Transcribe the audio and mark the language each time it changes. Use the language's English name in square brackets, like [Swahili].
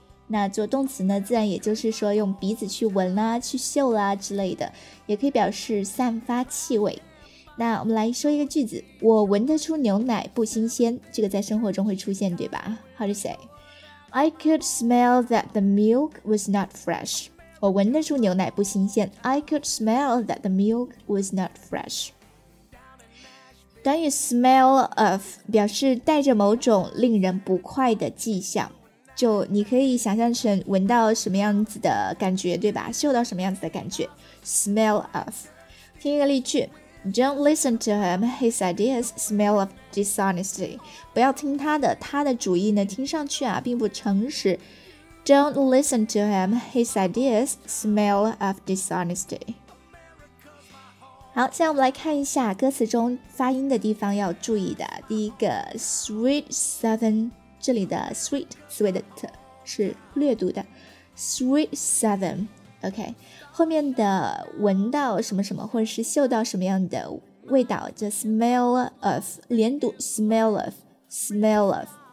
[Chinese] 那做动词呢，自然也就是说用鼻子去闻啦、啊、去嗅啦、啊、之类的，也可以表示散发气味。那我们来说一个句子，我闻得出牛奶不新鲜，这个在生活中会出现对吧？ [English] How to say? I could smell that the milk was not fresh. [Chinese] 我闻得出牛奶不新鲜。 [English] I could smell that the milk was not fresh. [Chinese] 短语 smell of 表示带着某种令人不快的迹象，就你可以想象成闻到什么样子的感觉对吧，嗅到什么样子的感觉。 [English] Smell of。 [Chinese] 听一个例句， [English] Don't listen to him, his ideas smell of dishonesty. [Chinese] 不要听他的，他的主意呢听上去啊并不诚实。 [English] Don't listen to him, his ideas smell of dishonesty. [Chinese] 好，现在我们来看一下歌词中发音的地方要注意的。第一个 sweet seven， 这里的 sweet， sweet 是略读的 sweet seven。 OK， 后面的闻到什么什么或者是嗅到什么样的味道，就 smell of， 连读 smell of， smell of。